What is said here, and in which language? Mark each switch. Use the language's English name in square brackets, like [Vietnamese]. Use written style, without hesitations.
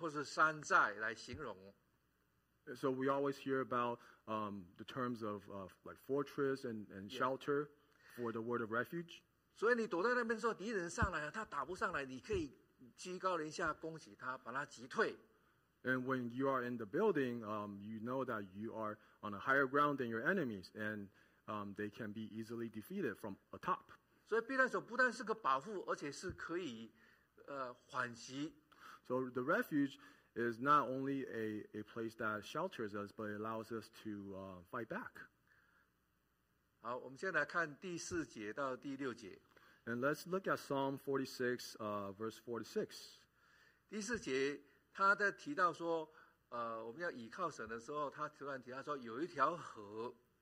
[Chinese] 然后第二个意思，它有时候会用，圣经不是常常用什么避难所、岩石或是山寨来形容。 [English] So we always hear about the terms of like fortress and shelter for the word of refuge. [Chinese] 所以你躲在那边说敌人上来，他打不上来，你可以居高临下攻击他，把他击退。 [English] And when you are in the building, you know that you are on a higher ground than your enemies, and they can be easily defeated from atop. [Chinese] 所以避难所不但是个保护，而且是可以缓急。 [English] So the refuge is not only a place that shelters us, but allows us to fight back. [Chinese] 好，我们先来看第四节到第六节。 [English] And let's look at Psalm 46, verse 46. [Chinese] 第四节。他在提到说，我们要倚靠神的时候，他突然提到说，有一条河。